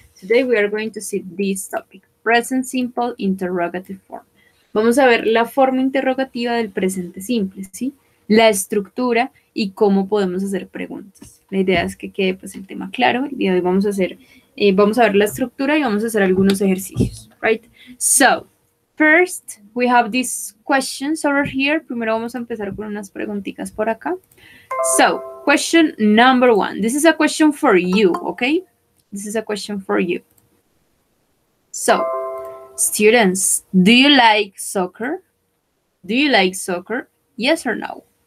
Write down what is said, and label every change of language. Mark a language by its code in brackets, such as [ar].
[en] Today we are going to see this topic. Present simple interrogative form. [es] Vamos a ver la forma interrogativa del presente simple, ¿sí? La estructura y cómo podemos hacer preguntas. La idea es que quede pues el tema claro. El día de hoy vamos a hacer, vamos a ver la estructura y vamos a hacer algunos ejercicios, [en] right? So, first we have these questions over here. [es] Primero vamos a empezar con unas preguntitas por acá. [en] So, question number one. This is a question for you, okay? This is a question for you. So, students, do you like soccer? Do you like soccer? Yes or no?